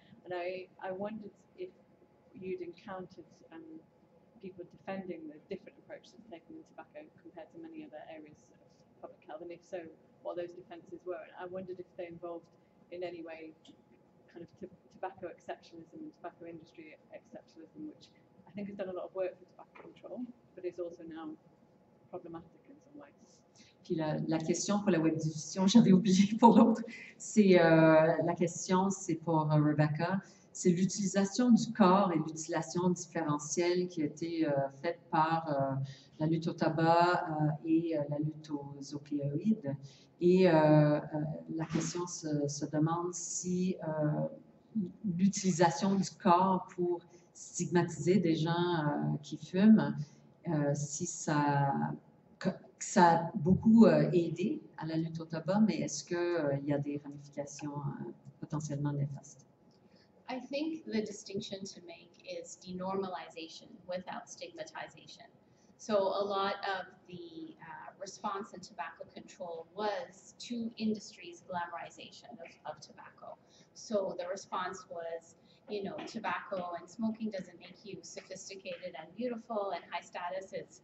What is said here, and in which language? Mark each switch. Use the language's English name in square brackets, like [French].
[English] And I wondered if you'd encountered people defending the different approaches taken in tobacco compared to many other areas of public health, and if so, what those defenses were. And I wondered if they involved in any way kind of tobacco exceptionalism and tobacco industry exceptionalism, which I think has done a lot of work for tobacco control, but is also now problematic in some ways. [French] Puis la question pour la web diffusion, j'avais oublié pour l'autre, c'est la question, c'est pour Rebecca, c'est l'utilisation du corps et l'utilisation différentielle qui a été faite par la lutte au tabac et la lutte aux opioïdes. Et la question se demande si l'utilisation du corps pour stigmatiser des gens qui fument, si ça a beaucoup aidé à la lutte au tabac, mais est-ce qu'il y a des ramifications potentiellement néfastes? [English] I think the distinction to make is denormalization without stigmatization. So a lot of the response in tobacco control was to industry's glamorization of tobacco. So the response was, you know, tobacco and smoking doesn't make you sophisticated and beautiful and high status.